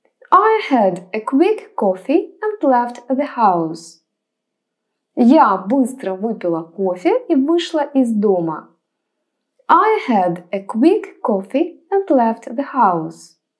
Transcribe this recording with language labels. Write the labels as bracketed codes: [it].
[en] I had a quick coffee and left the house. [ru] Я быстро выпила кофе и вышла из дома. [en] I had a quick coffee and left the house.